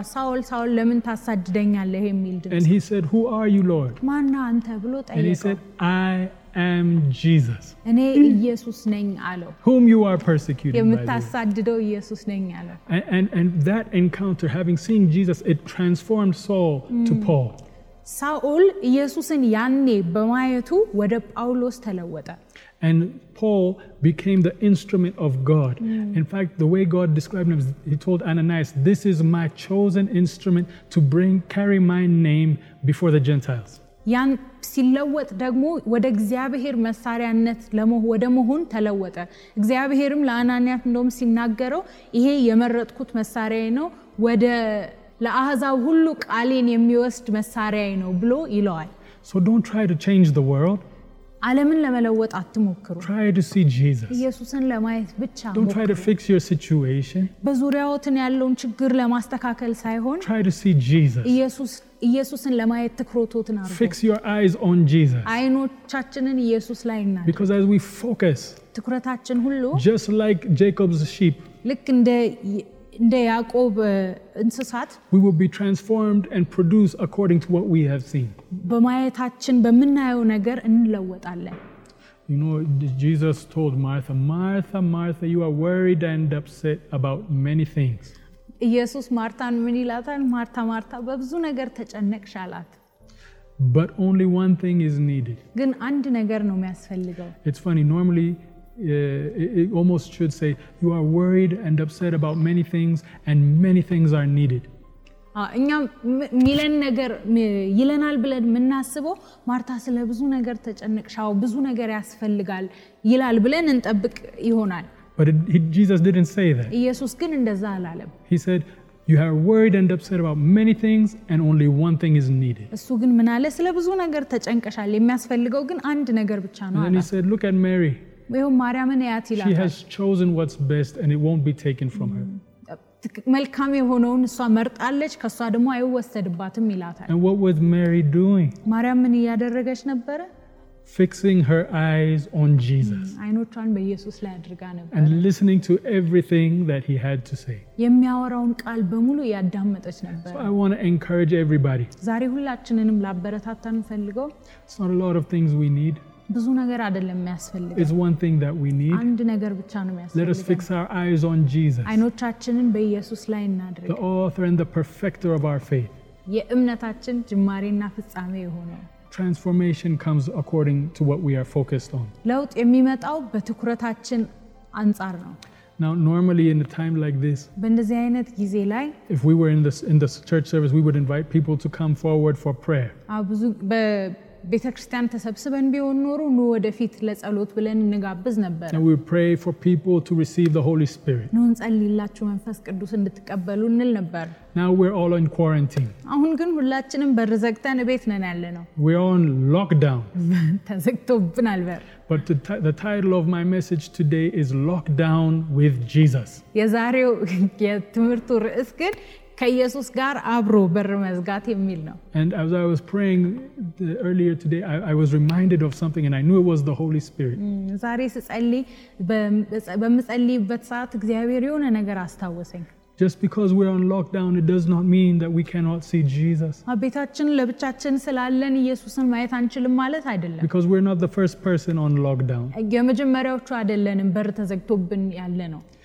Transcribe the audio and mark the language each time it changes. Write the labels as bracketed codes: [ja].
[am] "Saul, Saul, ለምን ታሳድደኛለህ?" የሚል ድምጽ. [en] And he said, "Who are you, Lord?" [am] ማነህ አንተ? ብሎ ጠየቀ. [en] And he said, "I am Jesus." [am] እኔ ኢየሱስ ነኝ አለው. [en] "Whom you are persecuting?" [am] የምታሳድደው ኢየሱስ ነኝ አለው. [en] And that encounter, having seen Jesus, it transformed Saul to Paul. [am] ሳኦል ኢየሱስን ያኔ በማየቱ ወደ ጳውሎስ ተለወጠ. [en] And Paul became the instrument of God. In fact, the way God described him, he told Ananias, "This is my chosen instrument to carry my name before the Gentiles." [am] ያን ሲለወጥ ደግሞ ወደ እግዚአብሔር መሳሪያነት ወደመሆን ተለወጠ. እግዚአብሔርም ለአናንያስ እንደም ሲናገረው ይሄ የመረጥኩት መሳሪያዬ ነው ወደ ለአህዛብ ሁሉ ቃሌን የሚወስድ መሳሪያዬ ነው ብሎ ይለዋል. [en] So don't try to change the world. [am] ዓለምን ለመለወጥ አትሞክሩ. [en] Try to see Jesus. [am] ኢየሱስን ለማየት ብቻ ሞክሩ. [en] Don't try to fix your situation. [am] በዙሪያዎትን ያለውን ችግር ለማስተካከል ሳይሆን [en] Try to see Jesus. [am] ኢየሱስን ለማየት ትኩረቶትን አድርጉ. [en] Fix your eyes on Jesus. [am] አይኖቻችንን ኢየሱስ ላይ እናድርግ. [en] Because as we focus [am] ትኩረታችን ሁሉ [en] Just like Jacob's sheep. [am] ልክ እንደ እንደ ያዕቆብ እንስሳት [en] we will be transformed and produce according to what we have seen. [am] በማየታችን በመናየው ነገር እንለወጣለን. [en] You know, Jesus told Martha, "Martha, Martha, you are worried and upset about many things." [am] ኢየሱስ ማርታን ምን ይላታል? "ማርታ ማርታ በብዙ ነገር ተጨነቅሻላት." [en] But only one thing is needed. [am] ግን አንድ ነገር ነው የሚያስፈልገው. [en] It's funny, normally it almost should say you are worried and upset about many things are needed. [am] እኛ ሚለን ነገር ይለናል ብለን እናስቦ ማርታ ስለ ብዙ ነገር ተጨንቀሻው ብዙ ነገር ያስፈልጋል ይላል ብለን እንጠብቅ ይሆናል. [en] But Jesus didn't say that. [am] ኢየሱስ ግን እንደዛ አላለም. [en] He said you are worried and upset about many things and only one thing is needed. [am] እሱ ግን ምን አለ ስለ ብዙ ነገር ተጨንቀሻል የሚያስፈልገው ግን አንድ ነገር ብቻ ነው አለ. [en] And he said look at Mary. [am] ወይ ማርያምን ያት ይላል. [en] She has chosen what's best and it won't be taken from her. [am] መልካም የሆነውን እሷ መርጣለች ከሷ ደግሞ አይወሰድባትም ይላታል. [en] And what was Mary doing? [am] ማርያምን ያደረገች ነበር? [en] Fixing her eyes on Jesus. [am] አይኖቿን በኢየሱስ ላይ አድርጋ ነበር. [en] And listening to everything that he had to say. [am] የሚያወራውን ቃል በሙሉ ያዳመጠች ነበር. [en] So I want to encourage everybody. [am] ዛሬ ሁላችንንም ላበረታታን ፈልጎ. [en] It's not a lot of things we need. [am] ብዙ ነገር አይደለም የሚያስፈልገው. [en] It's one thing that we need. [am] አንድ ነገር ብቻ ነው የሚያስፈልገው. [en] Let us fix our eyes on Jesus. [am] አይኖቻችንን በኢየሱስ ላይ እናድርግ. [en] The author and the perfecter of our faith. [am] የእምነታችን ጅማሬና ፍጻሜ የሆነው. [en] Transformation comes according to what we are focused on. [am] ለውጥ የሚመጣው በትኩረታችን አንጻር ነው. [en] Now normally in a time like this [am] በእንደዚህ አይነት ጊዜ ላይ [en] if we were in this church service we would invite people to come forward for prayer. [am] አብዙ በ ቤተክርስቲያን ተሰብስበን ቢሆን ኖሮ ኑ ወደፊት ለጸሎት ብለን እንጋብዝ ነበር. [en] And we pray for people to receive the Holy Spirit. [am] ኑ እንጸልይላችሁ መንፈስ ቅዱስ እንድትቀበሉ እንል ነበር. [en] Now we're all in quarantine. [am] አሁን ግን ሁላችንም በር ዘግተን እቤት ነን ያለነው. [en] We're on lockdown. [am] ተዘግቶብናል በር. [en] But the title of my message today is Lockdown with Jesus. [am] የዛሬው የትምህርቱ ርዕስ ግን ከኢየሱስ ጋር አብሮ በር መዝጋት የሚል ነው. [en] And as I was praying earlier today I was reminded of something and I knew it was the Holy Spirit. [am] ዛሬ ስጸልይ በመጸልይበት ሰዓት እግዚአብሔር የሆነ ነገር አስታወሰኝ. [en] Just because we're on lockdown it does not mean that we cannot see Jesus. [am] አቤታችን ለብቻችን ስላለን ኢየሱስን ማየት አንችልም ማለት አይደለም. [en] Because we're not the first person on lockdown. [am] የመጀመሪያዎቹ አይደለንም በር ተዘግቶብን ያለ ነው.